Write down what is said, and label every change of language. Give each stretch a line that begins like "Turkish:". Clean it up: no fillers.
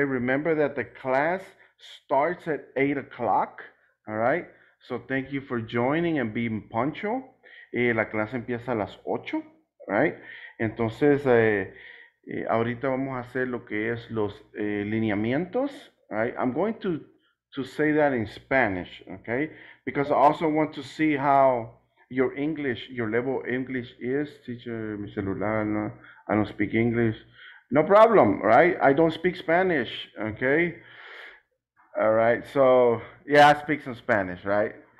English: Remember that the class starts at 8 o'clock, all right? So thank you for joining and being punctual.
Spanish: La clase empieza a las 8, right? Entonces, ahorita vamos a hacer lo que es los lineamientos, right?
English: I'm going to say that in Spanish, okay? Because I also want to see how your English, your level English is. Teacher, mi celular, no, I don't speak English. No problem, right? I don't speak Spanish, okay? All right, so yeah, I speak some Spanish, right?